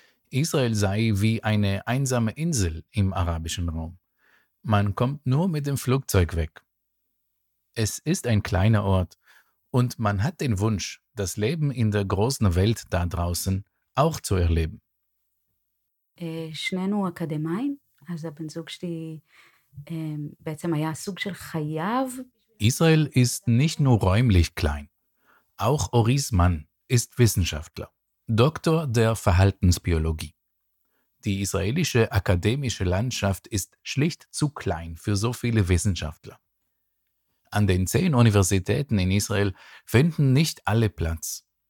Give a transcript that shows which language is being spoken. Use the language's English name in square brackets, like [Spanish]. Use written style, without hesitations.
[German] Israel sei wie eine einsame Insel im arabischen Raum. Man kommt nur mit dem Flugzeug weg. Es ist ein kleiner Ort und man hat den Wunsch, das Leben in der großen Welt da draußen auch zu erleben. [Hebrew] שנינו אקדמיים, אז הבן זוג שלי בעצם היה סוג של חייב. [German] Israel ist nicht nur räumlich klein. Auch Oris Mann ist Wissenschaftler, Doktor der Verhaltensbiologie. Die israelische akademische Landschaft ist schlicht zu klein für so viele Wissenschaftler. An den 10 Universitäten in Israel finden nicht alle Platz.